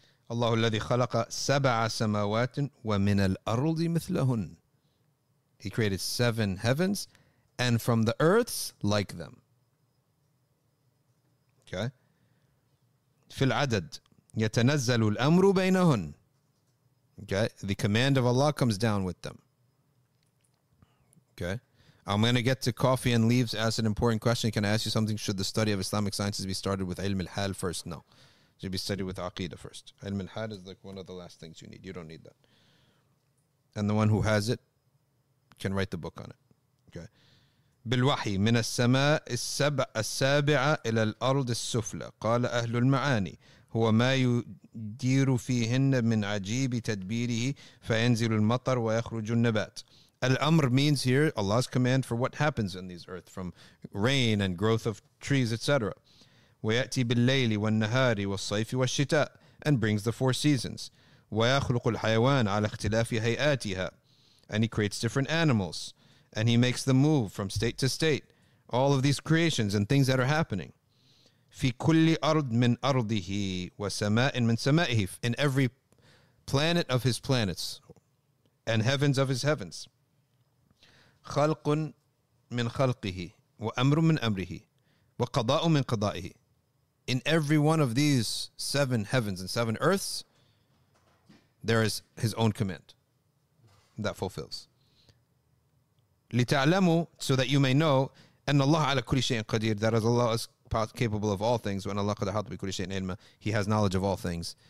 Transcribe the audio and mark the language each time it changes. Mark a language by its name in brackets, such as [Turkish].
[Arabic] الله الذي خلق سبع سماوات ومن الأرض مثلهن. [English] He created seven heavens and from the earths like them. Okay. [Arabic] في العدد يتنزل الأمر بينهن. Okay. [English] The command of Allah comes down with them. Okay. I'm going to get to coffee and leaves. Ask an important question. Can I ask you something? Should the study of Islamic sciences be started with ilm al-hal first? No. Should be studied with aqidah first. Ilm al-hal is like one of the last things you need. You don't need that. And the one who has it can write the book on it. Okay. [Arabic] بالوحي من السماء السابعة إلى الأرض السفلى قال أهل المعاني هو ما يدير فيهن من عجيب تدبيره فينزل المطر ويخرج النبات. [English] Al-Amr means here Allah's command for what happens in these earth from rain and growth of trees, etc. [Arabic] وَيَأْتِي بِاللَّيْلِ وَالنَّهَارِ وَالصَّيْفِ وَالشِّتَاءِ [English] and brings the four seasons. [Arabic] وَيَخْلُقُ الْحَيَوَانِ عَلَى اخْتِلَافِ هَيْئَاتِهَا [English] and He creates different animals and He makes them move from state to state. All of these creations and things that are happening. [Arabic] فِي كُلِّ أَرْضْ مِنْ أَرْضِهِ وَسَمَاءٍ مِنْ سَمَائِهِ [English] in every planet of His planets and heavens of His heavens. [Arabic] خلق من خلقه وأمر من أمره وقضاء من قضائه [English] in every one of these seven heavens and seven earths, there is his own command that fulfills. [Arabic] لِتَعْلَمُوا, [English] so that you may know, [Arabic] أن الله على كل شيء قدير, [English] that is Allah is capable of all things, [Arabic] وأن الله قد أحاط بكل شيء علما, [English] he has knowledge of all things.